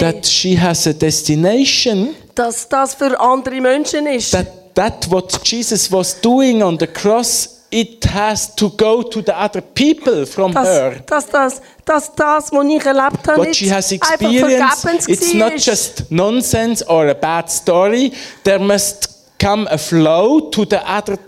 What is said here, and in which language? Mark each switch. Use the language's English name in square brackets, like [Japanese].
[English] That she has a destination. [German] Dass das für andere Menschen ist. [English] That what Jesus was doing on the cross, it has to go to the other people from [German] das, [English] her. [German] Das, was ich erlebt habe, [English] what she has experienced, it's not just nonsense or a bad story. There must come a flow to the other.